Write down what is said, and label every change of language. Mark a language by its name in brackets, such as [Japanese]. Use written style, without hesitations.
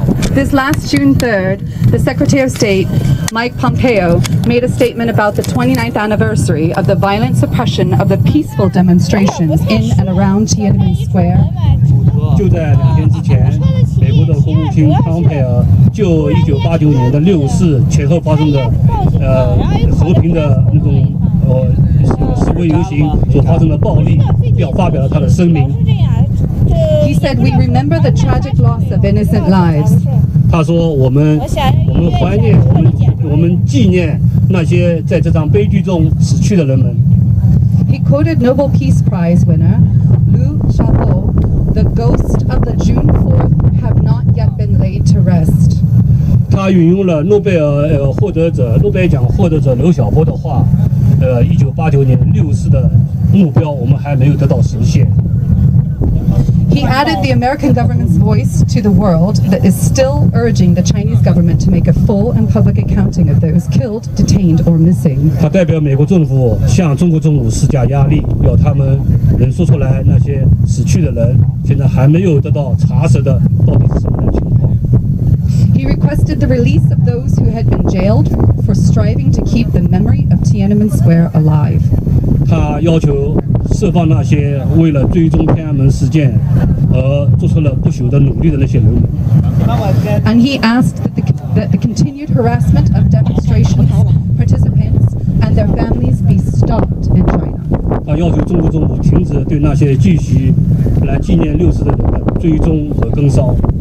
[English] This last June 3rd, the Secretary of State, Mike Pompeo, made a statement about the 29th anniversary of the violent suppression of the peaceful demonstrations in and around Tiananmen Square. [Chinese] 就在两天之前，美国的国务卿 Pompeo 就1989年的六四前后发生的和平的那种示威游行所发生的暴力，发表了他的声明。 [English] He said, "We remember the tragic loss of innocent lives." [Chinese] 他说我们怀念我们纪念那些在这场悲剧中死去的人们。 [English] He quoted Nobel Peace Prize winner Liu Xiaobo, "The ghosts of the June 4th have not yet been laid to rest." [Chinese] 他引用了诺贝尔获得者诺贝尔奖获得者刘晓波的话，1989年六四的目标我们还没有得到实现。 [English] He added the American government's voice to the world that is still urging the Chinese government to make a full and public accounting of those killed, detained, or missing. [Chinese] 他代表美国政府向中国政府施加压力，要他们能说出来那些死去的人现在还没有得到查实的到底是什么情况。 [English] He requested the release of those who had been jailed for striving to keep the memory of Tiananmen Square alive. [Chinese] 他要求释放那些为了追踪天安门事件而做出了不朽的努力的那些人们。 [English] And he asked that the continued harassment of demonstrations, participants, and their families be stopped in China. [Chinese] 他要求中国政府停止对那些继续来纪念六四的人的追踪和跟梢。